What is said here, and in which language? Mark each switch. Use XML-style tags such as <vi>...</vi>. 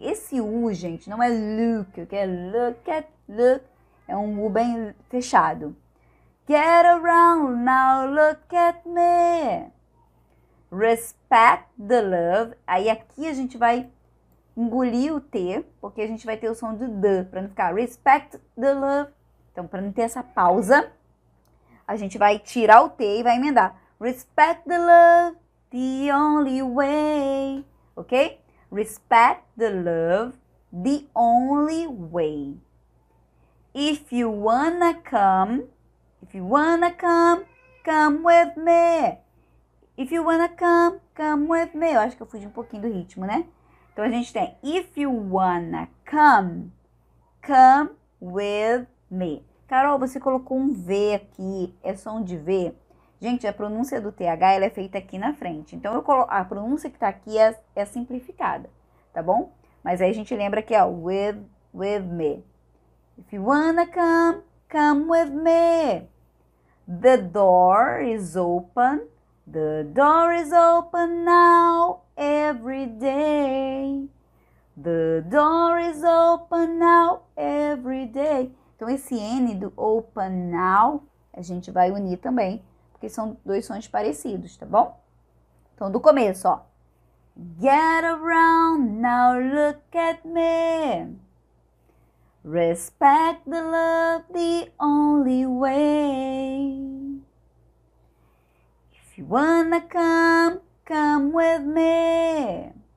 <pt>Esse U, gente, não é look, ok?</pt> <en>Look at, look.</en> <pt>É um U bem fechado.</pt> <en>Get around, now look at me. Respect the love.</en> <pt>Aí aqui a gente vai engolir o T, porque a gente vai ter o som do D, pra não ficar</pt> <en>respect the love.</en> <pt>Então, pra não ter essa pausa, a gente vai tirar o T e vai emendar.</pt> <en>Respect the love, the only way. Ok? Respect the love, the only way. If you wanna come, if you wanna come, come with me. If you wanna come, come with me.</en> <pt>Eu acho que eu fugi um pouquinho do ritmo, né? Então, a gente tem,</pt> <en>if you wanna come, come with me.</en> <pt>Carol, você colocou um V aqui, é som de V. Gente, a pronúncia do TH, ela é feita aqui na frente. Então, a pronúncia que tá aqui é simplificada, tá bom? Mas aí a gente lembra que é</pt> <en>with me. If you wanna come, come with me. The door is open. The door is open now, every day. The door is open now, every day.</en> <pt>Então, esse N do</pt> <en>open now,</en> <pt>a gente vai unir também, porque são dois sons parecidos, tá bom? Então, do começo, ó.</pt> <en>Get around, now look at me. Respect the love, the only way. If you wanna come, come with me.</en>